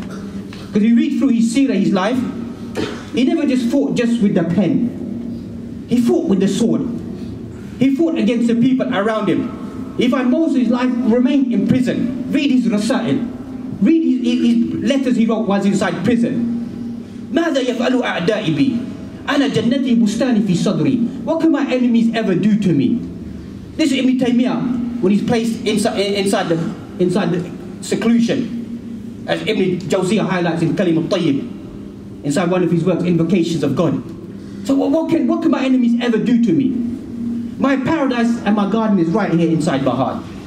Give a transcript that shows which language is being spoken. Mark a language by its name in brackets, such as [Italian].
[English] Because you read through his seerah, his life, he never just fought just with the pen. He fought with the sword. He fought against the people around him. He find most of his life remained in prison. Read his rasail. Read his letters he wrote once inside prison. [Arabic] ماذا يفعل أعدائي بي أنا جنتي بستاني في صدري. [English] What can my enemies ever do to me? This is Ibn Taymiyyah when he's placed inside the seclusion, as Ibn Jawziyah highlights in Kalim al-Tayyib, inside one of his works, Invocations of God. So what can my enemies ever do to me? My paradise and my garden is right here inside my heart.